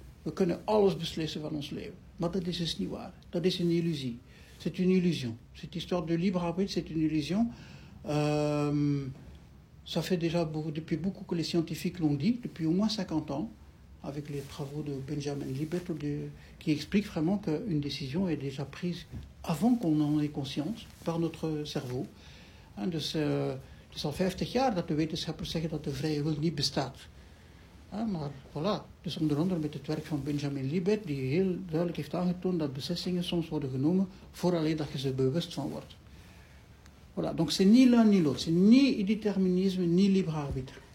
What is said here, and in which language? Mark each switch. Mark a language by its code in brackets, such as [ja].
[nl] We kunnen alles beslissen van ons leven. Maar dat is dus niet waar. Dat is een illusie. [fr] C'est une illusion. Cette histoire de libre arbitre, c'est une illusion. Ça fait déjà beaucoup, depuis beaucoup que les scientifiques l'ont dit, depuis au moins 50 ans, avec les travaux de Benjamin Libet, qui explique vraiment qu'une décision est déjà prise avant qu'on en ait conscience, par notre cerveau. [nl] Hein, dus, het is al 50 jaar dat de wetenschappers zeggen dat de vrije wil niet bestaat. Hein, maar voilà, dus onder andere met het werk van Benjamin Libet, die heel duidelijk heeft aangetoond dat beslissingen soms worden genomen vooraleer dat je ze bewust van wordt. [fr] Voilà, donc c'est ni l'un ni l'autre, c'est ni déterminisme, ni libre arbitre.